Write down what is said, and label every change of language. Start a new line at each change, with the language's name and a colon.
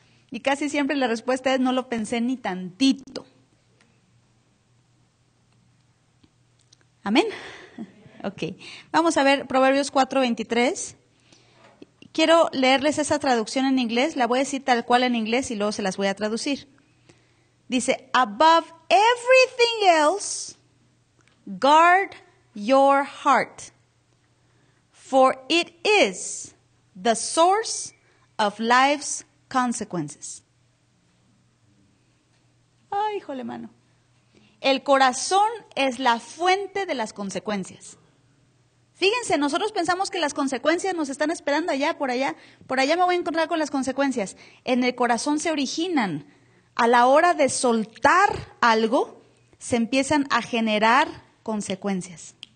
Spanish: Y casi siempre la respuesta es, no lo pensé ni tantito. Amén. Ok. Vamos a ver Proverbios 4:23. Quiero leerles esa traducción en inglés. La voy a decir tal cual en inglés y luego se las voy a traducir.
English: Dice, above everything else, guard your heart, for it is the source of life's consequences.
Spanish: Ay, híjole, mano. El corazón es la fuente de las consecuencias. Fíjense, nosotros pensamos que las consecuencias nos están esperando allá, por allá. Por allá me voy a encontrar con las consecuencias. En el corazón se originan. A la hora de soltar algo, se empiezan a generar consecuencias.